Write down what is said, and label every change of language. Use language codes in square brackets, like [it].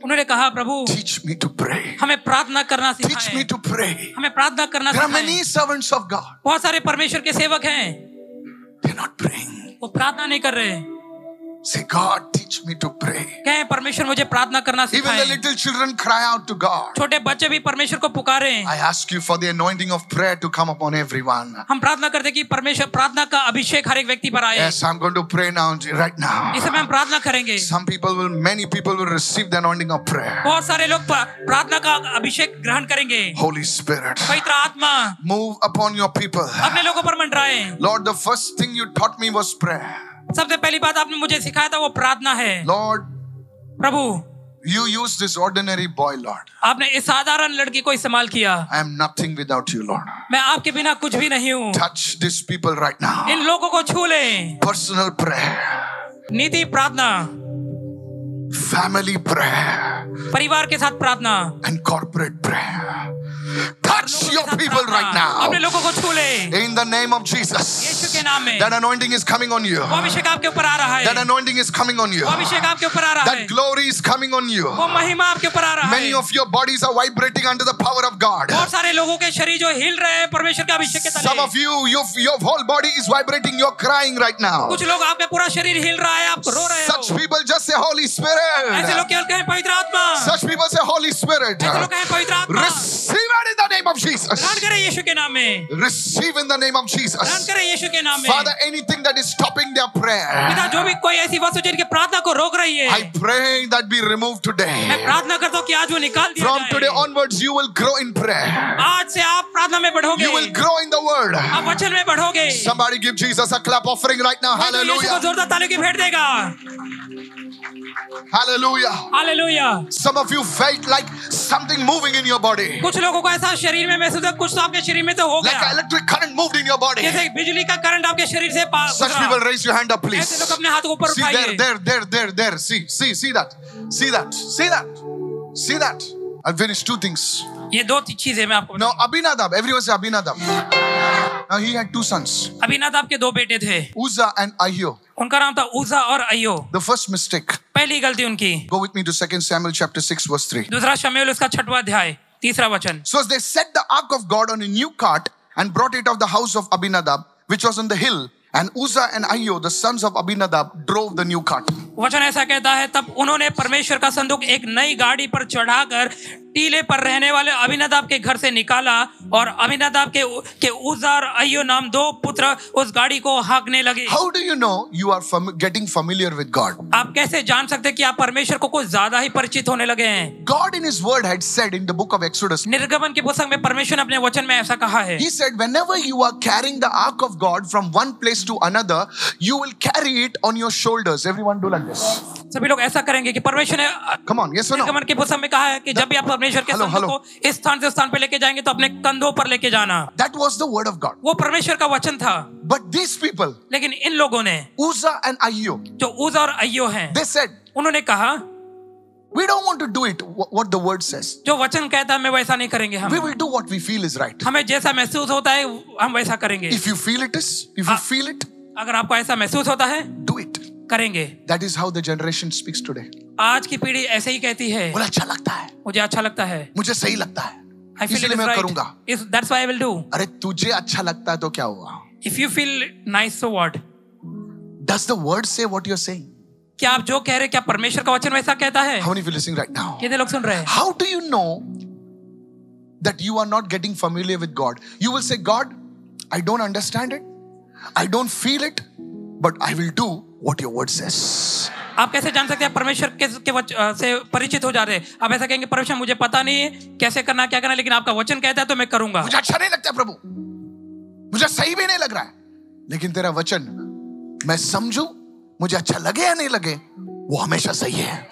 [hi] उन्होंने कहा प्रभु [en] teach me to pray. [hi] हमें प्रार्थना करना सिखाएं. [en] Teach me to pray. [hi] हमें प्रार्थना करना सिखाएं. [en] There are many servants of God. [hi] बहुत सारे परमेश्वर के सेवक हैं. [en] They're not praying. [hi] वो प्रार्थना नहीं कर रहे. [en] Say, God, teach me to pray. [hi] कहें परमेश्वर मुझे प्रार्थना करना सिखाएं. [en] Even the little children cry out to God. [hi] छोटे बच्चे भी परमेश्वर को पुकारे. [en] I ask you for the anointing of prayer to come upon everyone. [hi] हम प्रार्थना करते कि परमेश्वर प्रार्थना का अभिषेक हर एक व्यक्ति पर आए. [en] Yes, I'm going to pray now, right now. [hi] इसे मैं प्रार्थना करेंगे. [en] Some people will, many people will receive the anointing of prayer. [hi] बहुत सारे लोग प्रार्थना का अभिषेक ग्रहण करेंगे. [en] Holy Spirit. [hi] पवित्र आत्मा. [en] Move upon your people. [hi] अपने लोगों पर मंडराएं. [en] Lord, the first thing you taught me was prayer. [hi] सबसे पहली बात आपने मुझे सिखाया था वो प्रार्थना है. [en] lord [hi] Prabhu, [en] You use this ordinary boy lord. [hi] आपने इस साधारण लड़की को इस्तेमाल किया. [en] I am nothing without you lord. [hi] मैं आपके बिना कुछ भी नहीं हूँ. [en] Touch this people right now. [hi] इन लोगों को छू लें. [en] Personal prayer. [hi] नीति प्रार्थना. [en] Family prayer. [hi] परिवार के साथ प्रार्थना. [en] And corporate prayer. Touch your people right now. [hi] अपने लोगों को छू ले. [en] In the name of Jesus. [hi] यीशु के नाम में. [en] That anointing is coming on you. [hi] वो अभिषेक आपके ऊपर आ रहा है. [en] That anointing is coming on you. [hi] वो अभिषेक आपके ऊपर आ रहा है. [en] That glory is coming on you. [hi] वो महिमा आपके ऊपर आ रहा है. [en] Many of your bodies are vibrating under the power of God. [hi] बहुत सारे लोगों के शरीर जो हिल रहे हैं परमेश्वर के अभिषेक के तले. [en] Some of you, your whole body is vibrating. You're crying right now. [hi] कुछ लोग आपका पूरा शरीर हिल रहा है, आप रो रहे हो. [en] Such people just say Holy Spirit. [hi] ऐसे लोग क्या कहें पवित्र आत्मा. [en] Such people say Holy Spirit. [hi] ऐसे लोग कहें पवित्र आत्मा. [en] In the name of Jesus. [hi] Run करें यीशु के नाम में. [en] Receive in the name of Jesus. [hi] Run करें यीशु के नाम में. [en] Father, anything that is stopping their prayer. [hi] पिता जो भी कोई ऐसी वस्तु जिनके प्रार्थना को रोक रही है. [en] I pray that be removed today. [hi] मैं प्रार्थना करता हूँ कि आज वो निकाल दिया [en] जाए. From today onwards, you will grow in prayer. [hi] आज से आप प्रार्थना में बढ़ोगे. [en] You will grow in the word. [hi] आप वचन में बढ़ोगे. [en] Somebody give Jesus a clap offering right now. Hallelujah. [hi] यीशु को जोरदार तालियों की भेंट देगा. [en] Hallelujah. Hallelujah. Some of you felt like something moving in your body. [hi] कुछ लोगों को ऐसा शरीर में महसूस हुआ कुछ तो आपके शरीर में तो हो गया. [en] Like electric current moved in your body. [hi] जैसे बिजली का करंट आपके शरीर से पास. [en] Such people raise your hand up please. [hi] ऐसे लोग अपने हाथ ऊपर उठाइए. [en] There. See that. I'll finish two things. [hi] ये दो चीजें मैं आपको. [en] Now Abinadab. Everyone say Abinadab. Now he had two sons. [hi] Abinadab के दो बेटे थे. [en] Uzza and Ahio. [hi] उनका नाम था उज़ा और अय्यो. [en] The first mistake. [hi] पहली गलती उनकी. [en] Go with me to 2 Samuel chapter 6 verse 3. [hi] दूसरा शमूएल उसका छठवां अध्याय तीसरा वचन. [en] So they set the ark of God on a new cart and brought it out of the house of Abinadab, which was on the hill, and Uzza and Ahio, the sons of Abinadab, drove the new cart. [hi] वचन ऐसा कहता है तब उन्होंने परमेश्वर का संदूक एक नई गाड़ी पर चढ़ाकर टीले पर रहने वाले अभिनदाब के घर से निकाला और अभिनदाब के उजार अय्यो नाम दो पुत्र उस गाड़ी को हांकने लगे। [en] How do you know you are getting familiar with God? [hi] आप कैसे जान सकते कि आप परमेश्वर को कुछ ज्यादा ही परिचित होने लगे हैं? [en] God in his word had said in the book of Exodus, [hi] निर्गमन की पुस्तक में परमेश्वर ने अपने वचन में ऐसा कहा है। [en] He said, whenever you are carrying the ark of God from one place to another, you will carry it on your shoulders. Everyone do like this. [hi] सभी लोग ऐसा करेंगे कि परमेश्वर ने निर्गमन की पुस्तक में कहा है कि जब भी आप परमेश्वर के संदूक को इस स्थान से स्थान पर लेके जाएंगे तो अपने कंधों पर लेके जाना। [en] That was the word of God. [hi] वो परमेश्वर का वचन था। [en] But these people, [hi] लेकिन इन लोगों ने [en] Uzzah and Ahio, [hi] जो उज़ा और अय्यो हैं, [en] they said, [hi] उन्होंने कहा, [en] we don't want to do it what the word says. [hi] जो वचन कहता है हमें वैसा नहीं करेंगे हम। [en] We will do what we feel is right. [hi] हमें जैसा महसूस होता है हम वैसा करेंगे। [en] If you feel it is, if you feel it, [hi] अगर आपको ऐसा महसूस होता है, [en] do it. [hi] करेंगे। [en] That is how the generation speaks today. [hi] आज की पीढ़ी ऐसे ही कहती है। बोला अच्छा लगता है। मुझे अच्छा लगता है। मुझे सही लगता है। [en] I feel [hi] इसलिए मैं [en] right. [hi] करूँगा। [en] That's why I will do. [hi] अरे तुझे अच्छा लगता है तो क्या हुआ? [en] If you feel nice, so what? Does the word say what you're saying? [hi] क्या आप जो कह रहे क्या परमेश्वर का वचन वैसा कहता है? [en] How many people listening right now? [hi] कितने लोग सुन रहे हैं? [en] How do you know that you are not getting familiar with God? You will say, God, I don't understand it, I don't feel it, but I will do. What your word says. [hi] आप कैसे जान सकते हैं परमेश्वर के से परिचित हो जा रहे हैं? आप ऐसा कहेंगे परमेश्वर मुझे पता नहीं है कैसे करना क्या करना, लेकिन आपका वचन कहता है तो मैं करूंगा। मुझे अच्छा नहीं लगता प्रभु, मुझे सही भी नहीं लग रहा है, लेकिन तेरा वचन मैं समझूं, मुझे अच्छा लगे या नहीं लगे, वो हमेशा सही है।